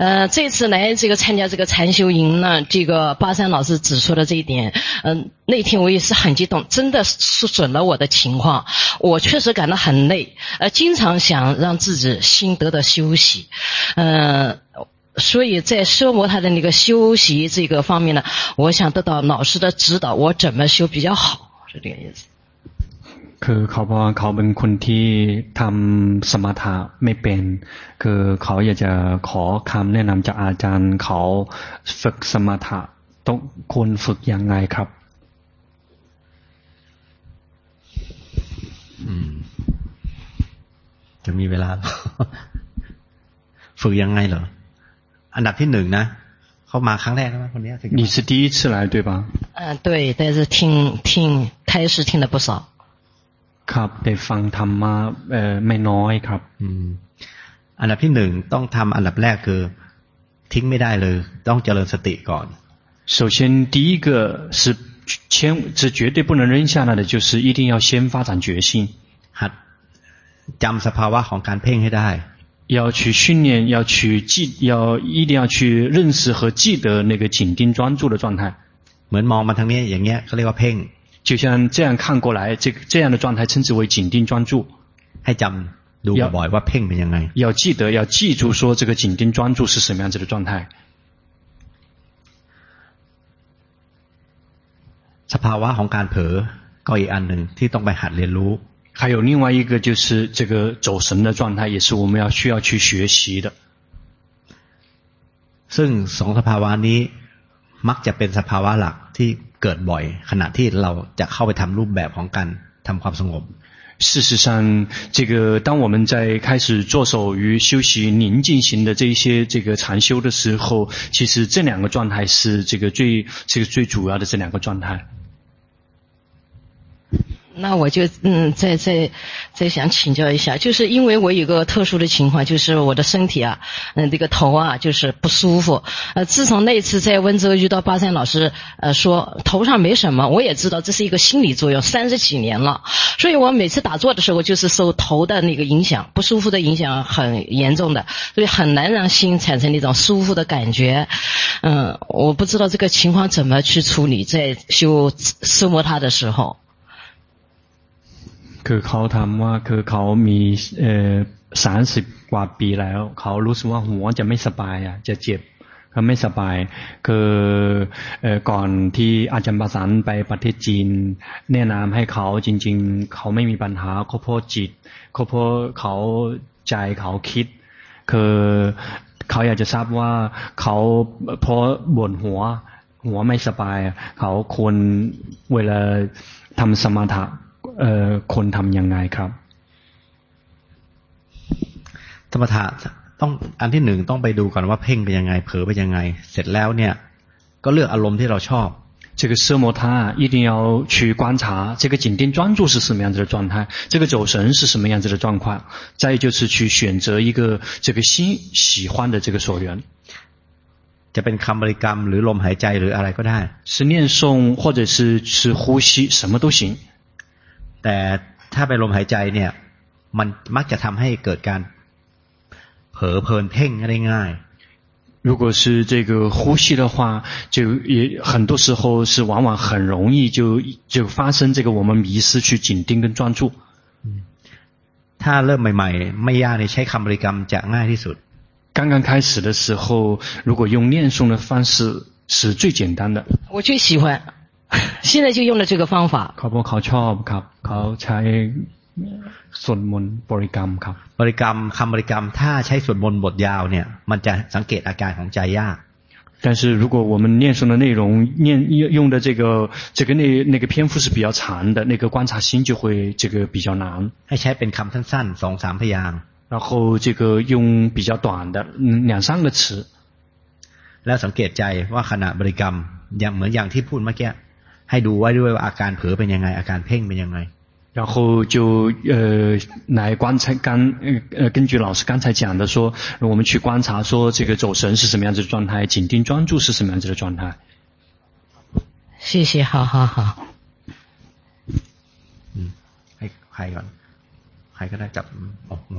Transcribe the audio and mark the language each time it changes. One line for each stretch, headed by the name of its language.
Chinese: 这次来这个参加这个禅修营呢这个巴山老师指出了这一点那天我也是很激动真的是准了我的情况我确实感到很累经常想让自己心得到休息所以在奢摩他的那个休息这个方面呢我想得到老师的指导我怎么修比较好是这个意思
Thai: คือเขาบอกว่าเขาเป็นคนที่ทำสมถะไม่เป็นคือเขาอยากจะขอคำแนะนำจากอาจารย์เขาฝึกสมถะต้องควรฝึกยังไงครับ จะมีเวลาฝึกยังไงเหรออันดับที่หนึ่งนะเขามาครั้งแรกแล้วคนนี้
Chinese: 你是第一次来对吧对但是听开始听了不少
Thai: ครับได้ฟังธรรมะไม่น้อยครับ อันดับที่หนึ่งต้องทำอันดับแรกคือทิ้งไม่ได้เลยต้องเจริญสติก่อน
Chinese: 首先第一个是千是绝对不能扔下来的就是一定要先发展决心
Thai: หัดจำสภาวะของการเพ่งให้ได้
Chinese: 要去训练要去记要一定要去认识和记得那个紧盯专注的状态
Thai: เหมือนมองมาทางนี้อย่างเงี้ยเขาเรียกว่าเพ่ง
Chinese: 就像这样看过来这样的状态称之为紧盯专注
Thai: ให้จำโด
Chinese: 如果
Thai: บ่อยว่าเพ่งเป็นยังไง
Chinese: 要记得要记住说这个紧盯专注是什么样子的状态
Thai: สภาวะของการเผลอก็อีกอันหนึ่งที่ต้องไปหัดเรียนรู้
Chinese: 还有另外一个就是这个走神的状态也是我们要需要去学习的
Thai: ซึ่งสองสภาวะนี้มักจะเป็นสภาวะหลักที่เกิดบ่อยขณะที่เราจะเข้าไปทำรูปแบบของการทำความสงบ
Chinese: 事实上这个当我们在开始着手于修习宁静型的这些这个禅修的时候其实这两个状态是这个最这个最主要的这两个状态那我就再想请教一下就是因为我有个特殊的情况就是我的身体啊这个头啊就是不舒服自从那次在温州遇到巴山老师说头上没什么我也知道这是一个心理作用三十几年了所以我每次打坐的时候就是受头的那个影响不舒服的影响很严重的所以很难让心产生那种舒服的感觉我不知道这个情况怎么去处理在修奢摩他的时候
Thai: คือเขาทำว่าคือเขามี30กว่าปีแล้วเขารู้สึกว่าหัวจะไม่สบายอ่ะจะเจ็บก็ไม่สบายคือ ก่อนที่อาจารย์ประสานไปประเทศจีนแนะนำให้เขาจริงๆเขาไม่มีปัญหาเขาพอจิตเขาพอเขาใจเขาคิดคือเขาอยากจะทราบว่าเขาพอบ่นหัวไม่สบายเขาควรเวลาทำสมาธิคนทำยังไงครับ สมถะต้องอันที่หนึ่งต้องไปดูก่อนว่าเพ่งไปยังไงเผลอไปยังไงเสร็จแล้วเนี่ยก็เลือกอารมณ์ที่เราชอบ
Chinese: 这个奢摩他一定要去观察这个紧盯专注是什么样子的状态这个走神是什么样子的状况再就是去选择一个这个心喜欢的这个所缘
Thai: จะเป็นคำบริกรรมหรือลมหายใจหรืออะไรก็ได้
Chinese: 是念诵或者是呼吸什么都行
Thai: แต่ถ้าไปลมหายใจเนี่ยมันมักจะทำให้เกิดการเผลอเพลินเพ่งได้ง่าย
Chinese: 如果是这个呼吸的话就也很多时候是往往很容易就发生这个我们迷失去紧盯跟专注
Thai: ถ้าเริ่มใหม่ๆไม่ยากเลยใช้คำบริกรรมจะง่ายที่สุด
Chinese: 刚刚开始的时候如果用念诵的方式是最简单的我最喜欢现在就用了这个方法
Thai: เขาบอกเขาชอบครับเขาใช้สวดมนต์บริกรรมครับ บริกรรมคำบริกรรมถ้าใช้สวดมนต์บทยาวเนี่ยมันจะสังเกตอาการของใจยาก
Chinese: 但是如果我们念诵的内容念用的这个那个篇幅是比较长的那个观察心就会这个比较难
Thai: ให้ใช้เป็นคำสั้นๆสองสามพยางค์
Chinese: 然后这个用比较短的两三个词
Thai: แล้วสังเกตใจว่าขณะบริกรรมอย่างเหมือนอย่างที่พูดเมื่อกี้ให้ดูไว้ด้วยว่าอาการเผลอเป็นยังไงอาการเพ่งเป็นยังไง
Chinese: 然后就来观察刚根据老师刚才讲的说我们去观察说这个走神是什么样子的状态紧盯专注是什么样子的状态谢谢好好好嗯还有还跟他讲哦